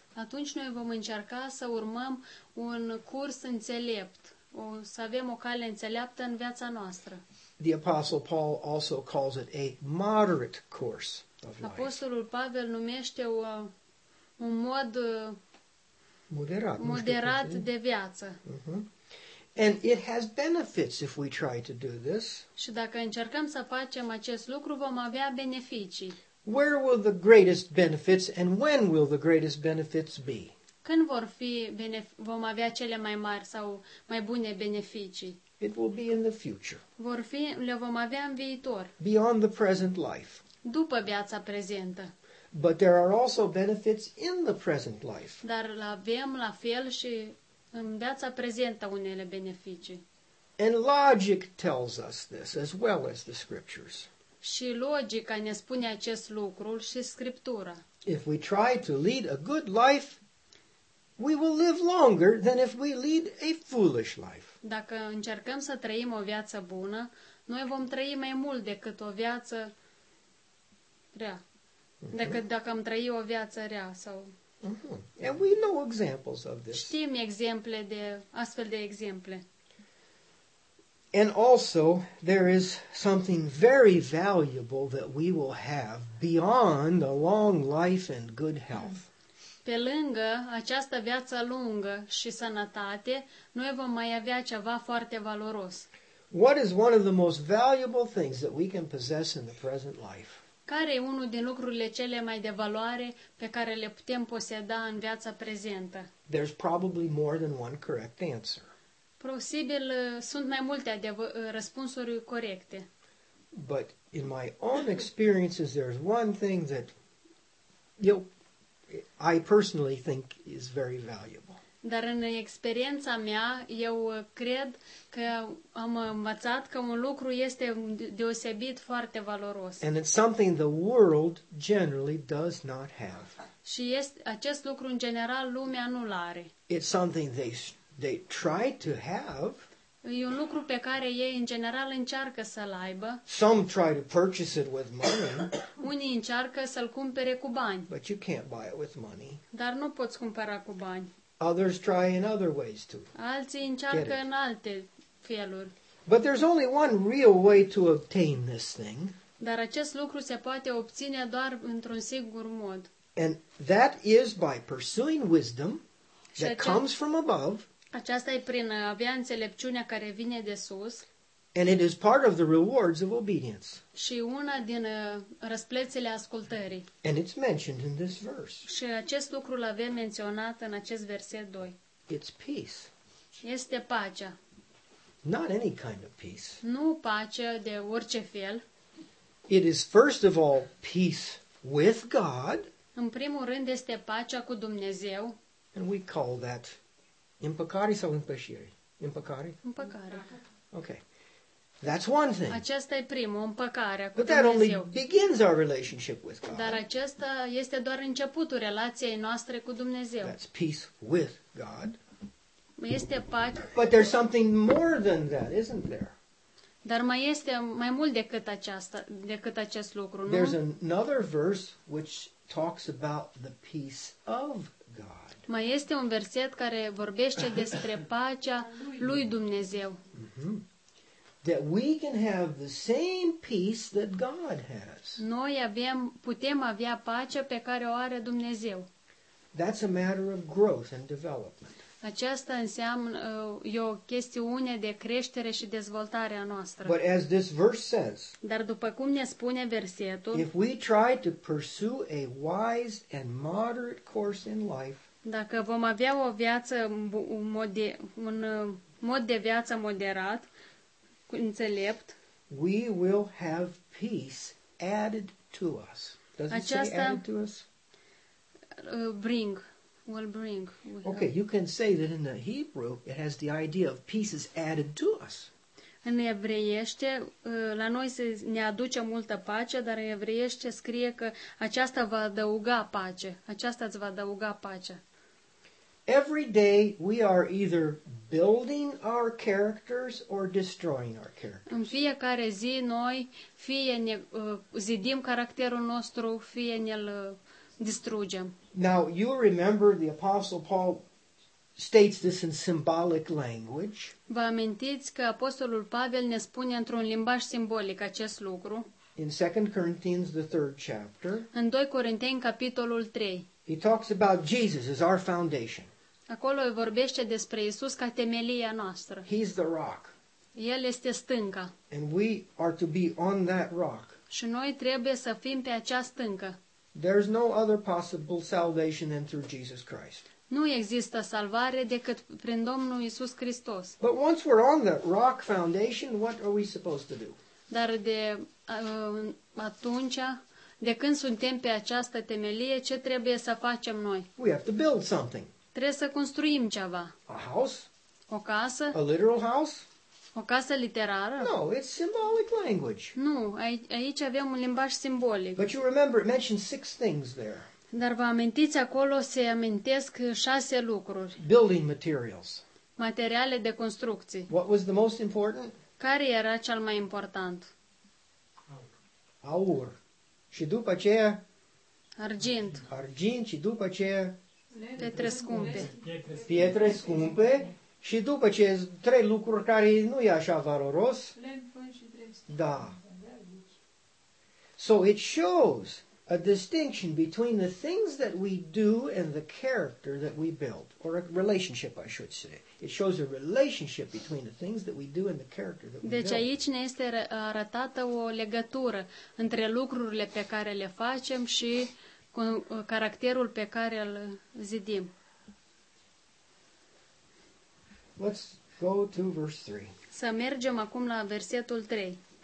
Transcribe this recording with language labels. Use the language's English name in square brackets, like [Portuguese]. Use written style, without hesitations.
[Romanian] Atunci noi vom încerca să urmăm un curs înțelept, să avem o cale înțeleaptă în viața noastră. [English] The Apostle Paul also calls it a moderate course of life. [Romanian] Apostolul Pavel numește un mod moderat de viață. [English] And it has benefits if we try to do this. [Romanian] Și dacă încercăm să facem acest lucru, vom avea beneficii. [English] Where will the greatest benefits and when will the greatest benefits be? [Romanian] Când vom avea cele mai mari sau mai bune beneficii? [English] It will be in the future. [Romanian] Le vom avea în viitor. [English] Beyond the present life. [Romanian] După viața prezentă. [English] But there are also benefits in the present life. [Romanian] Dar avem la fel și în viața prezentă unele beneficii. [English] And logic tells us this as well as the scriptures. [Romanian] Și logica ne spune acest lucru și Scriptura. [English] If we try to lead a good life, we will live longer than if we lead a foolish life. [Romanian] Dacă încercăm să trăim o viață bună, noi vom trăi mai mult decât o viață rea. Decât dacă am trăi o viață rea sau. [English] And we know examples of this. [Romanian] Știm exemple de astfel de exemple. [English] And also, there is something very valuable that we will have beyond a long life and good health. [Romanian] Pe lângă această viață lungă și sănătate, noi vom mai avea ceva foarte valoros. [English] What is one of the most valuable things that we can possess in the present life? [Romanian] Care e unul din lucrurile cele mai de valoare pe care le putem poseda în viața prezentă? [English] There's probably more than one correct answer. [Romanian] Posibil sunt mai multe răspunsuri corecte. [English] But in my own experiences there's one thing that you know, I personally think is very valuable. [Romanian] Dar în experiența mea eu cred că am învățat că un lucru este deosebit foarte valoros. [English] And it's something the world generally does not have. [Romanian] Și este acest lucru în general lumea nu l-are. [English] It's something they try to have. [Romanian] E un lucru pe care ei în general încearcă să-l aibă. [English] Some try to purchase it with money. [Romanian] Unii încearcă să-l cumpere cu bani. [English] But you can't buy it with money. [Romanian] Dar nu poți cumpăra cu bani. [English] Others try in other ways too. [Romanian] Alții încearcă în alte feluri. [English] But there's only one real way to obtain this thing. [Romanian] Dar acest lucru se poate obține doar într-un singur mod. [English] And that is by pursuing wisdom that comes from above. [Romanian] Aceasta e prin avea înțelepciunea care vine de sus. [English] And it is part of the rewards of obedience. [Romanian] Și una din răsplețele ascultării. [English] And it's mentioned in this verse. [Romanian] Și acest lucru l-avem menționat în acest verset 2. [English] It's peace. [Romanian] Este pacea. [English] Not any kind of peace. [Romanian] Nu pace de orice fel. [English] It is first of all peace with God. [Romanian] În primul rând este pacea cu Dumnezeu. [English] And we call that [Romanian] împăcare sau împășire? Împăcare? Împăcare. [English] Okay. That's one thing. [Romanian] Aceasta e primul, împăcarea cu [English] But [Romanian] Dumnezeu. [English] That only begins our relationship with God. [Romanian] Dar acesta este doar începutul relației noastre cu Dumnezeu. [English] That's peace with God. [Romanian] Este pace. [English] But there's something more than that, isn't there? [Romanian] Dar mai este mai mult decât aceasta, decât acest lucru, nu? [English] There's another verse which talks about the peace of God. [Romanian] Mai este un verset care vorbește despre pacea lui Dumnezeu. Mm-hmm. [English] That we can have the same peace that God has. [Romanian] Noi avem, putem avea pacea pe care o are Dumnezeu. [English] That's a matter of growth and development. [Romanian] Aceasta înseamnă o chestiune de creștere și dezvoltare a noastră. [English] But as this verse says, [Romanian] dar după cum ne spune versetul, [English] if we try to pursue a wise and moderate course in life, [Romanian] dacă vom avea o viață un mod de viață moderat, înțelept, [English] we will have peace added to us. Does it say added to us? Bring. Will bring. Okay, you can say that in the Hebrew it has the idea of pieces added to us. [Romanian] În evreiește, la noi se ne aduce multă pace, dar în evreiește scrie că aceasta va adăuga pace. Aceasta îți va adăuga pace. [English] Every day we are either building our characters or destroying our characters. [Romanian] În fiecare zi noi fie ne zidim caracterul nostru, fie ne-l distrugem. [English] Now, you remember the Apostle Paul states this in symbolic language. [Romanian] Vă amintiți că Apostolul Pavel ne spune într-un limbaj simbolic acest lucru. [English] In 2 Corinthians, the third chapter. [Romanian] În 2 Corinteni, capitolul 3. [English] He talks about Jesus as our foundation. [Romanian] Acolo vorbește despre Iisus ca temelia noastră. [English] He's the rock. [Romanian] El este stânca. [English] And we are to be on that rock. [Romanian] Și noi trebuie să fim pe acea stâncă. [English] There's no other possible salvation than through Jesus Christ. [Romanian] Nu există salvare decât prin Domnul Iisus Hristos. [English] But once we're on the rock foundation, what are we supposed to do? [Romanian] Dar de atunci, de când suntem pe această temelie, ce trebuie să facem noi? [English] We have to build something. [Romanian] Trebuie să construim ceva. [English] A house? [Romanian] O casă? [English] A literal house? [Romanian] O casă literară? [English] No, it's symbolic language. [Romanian] Nu, aici avem un limbaj simbolic. [English] But you remember it mentions six things there. [Romanian] Dar vă amintiți acolo se amintesc șase lucruri. [English] Building materials. [Romanian] Materiale de construcții. [English] What was the most important? [Romanian] Care era cel mai important? Aur. Și după aceea? Argint. Argint și după aceea? Pietre scumpe. Pietre scumpe. Și după ce trei lucruri care nu e așa valoros. Da. [English] So it shows a distinction between the things that we do and the character that we build. Or a relationship, I should say. It shows a relationship between the things that we do and the character that we build. [Romanian] Deci aici ne este arătată o legătură între lucrurile pe care le facem și cu caracterul pe care îl zidim. [English] Let's go to verse 3. [Romanian] Să mergem acum la versetul 3.